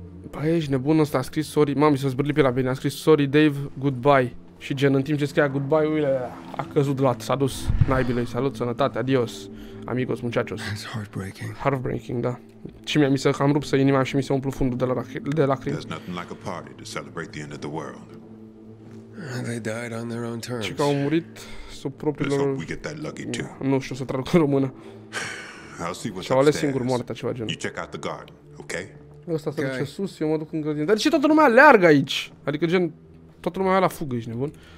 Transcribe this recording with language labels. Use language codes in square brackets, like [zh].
[ro] Băi, ești nebun ăsta, a scris sorry, mami, să-ți bârlipi la bine, a scris [en] sorry Dave, goodbye. [ro] Și gen, în timp ce scria goodbye, uite, a căzut lat, s-a dus, naibilei, salut, sănătate, adios. [es] Amigos, muchachos. [en] That's heartbreaking. Heartbreaking, da. [ro] Și mi se cam rupse inima și mi se umplu fundul de lacrimi. [en] There's nothing like a party to celebrate the end of the world. They died on their own terms. [ro] Și că au murit sub propriul lor... [en] We get that lucky too. [ro] Nu știu să traduc în română. Și-au ales singur moartea, ceva genul. [en] You check out the garden, okay? [ro] Ăsta se duce sus, eu mă duc în grădină. Dar de ce toată lumea aleargă aici? Adică gen, toată lumea la fugă, ești nebun?